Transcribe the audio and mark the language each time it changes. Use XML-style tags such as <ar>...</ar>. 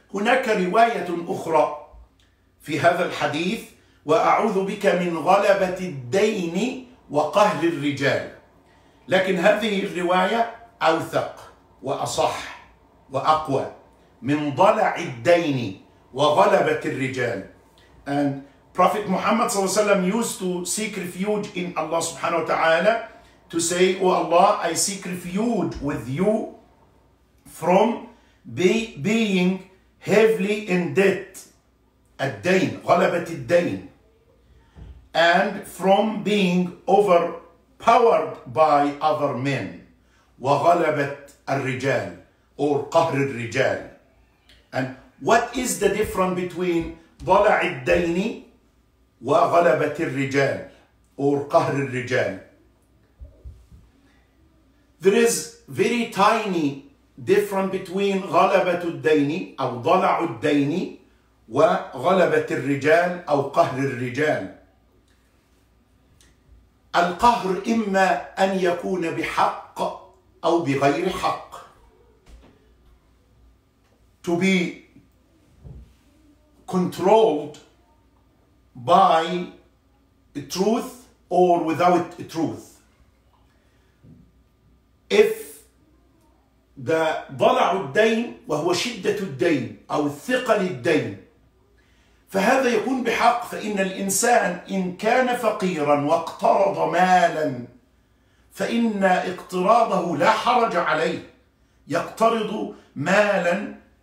<ar>هناك رواية أخرى في هذا الحديث، وأعوذ بك من غلبة الدين وقهر الرجال، لكن هذه الرواية أوثق وأصح وأقوى، من ضلع الدين وغلبة الرجال.</ar> <en>And Prophet Muhammad صلى الله عليه وسلم used to seek refuge in Allah سبحانه وتعالى to say, O Allah, I seek refuge with you from being heavily in debt.</en> <ar>الدين غلبة الدين.</ar> <en>And from being overpowered by other men.</en> <ar>وغلبة الرجال or قهر الرجال.</ar> <en>And what is the difference between</en> <ar>ضلع الدين وغلبة الرجال</ar> <en>or</en> <ar>قهر الرجال?</ar> <en>There is very tiny difference between</en> <ar>غلبة الدين أو ضلع الدين وغلبة الرجال أو قهر الرجال. القهر إما أن يكون بحق أو بغير حق.</ar> <en>To be controlled by truth or without truth. If the</en> <ar>ضلع الدين وهو شدة الدين أو ثقل الدين فهذا يكون بحق، فإن الإنسان إن كان فقيرا واقترض مالا فإن اقتراضه لا حرج عليه، يقترض مالا</ar>